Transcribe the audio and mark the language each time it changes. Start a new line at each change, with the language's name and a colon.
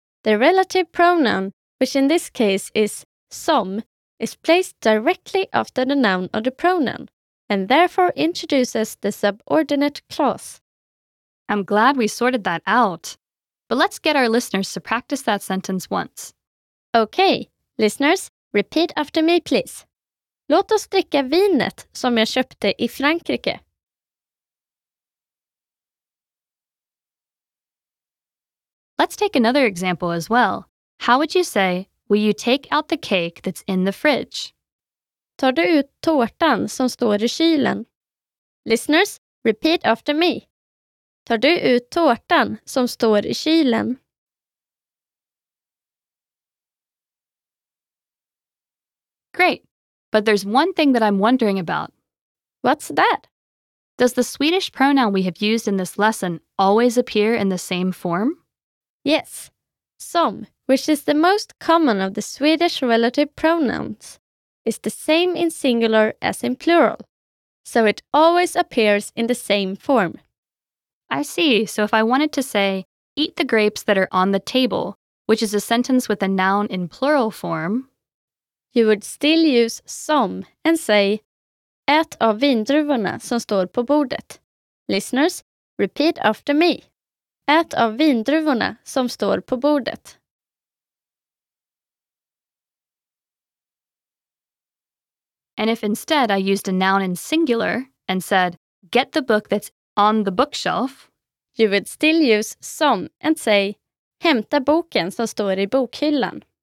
English: The relative pronoun, which in this case is som, is placed directly after the noun or the pronoun, and therefore introduces the subordinate clause. I'm glad we sorted that out. But let's get our listeners to practice that sentence once. Okay, listeners, repeat after me, please.
Swedish: Låt oss dricka vinet som jag köpte i Frankrike.
English: Let's take another example as well. How would you say, will you take out the cake that's in the fridge?
Swedish: Tar du ut tårtan som står i kylen?
English: Listeners, repeat after me.
Swedish: Tar du ut tårtan som står i kylen?
English: Great, but there's one thing that I'm wondering about. What's that? Does the Swedish pronoun we have used in this lesson always appear in the same form? Yes, som, which is the most common of the Swedish relative pronouns, is the same in singular as in plural, so it always appears in the same form. I see, so if I wanted to say, eat the grapes that are on the table, which is a sentence with a noun in plural form, you would still use som and say,
Swedish: ät av vindruvorna som står på bordet.
English: Listeners, repeat after me.
Swedish: Ät av vindruvorna som står på bordet.
English: And if instead I used a noun in singular and said, get the book that's on the bookshelf, you would still use som and say,
Swedish: hämta boken som står i bokhyllan.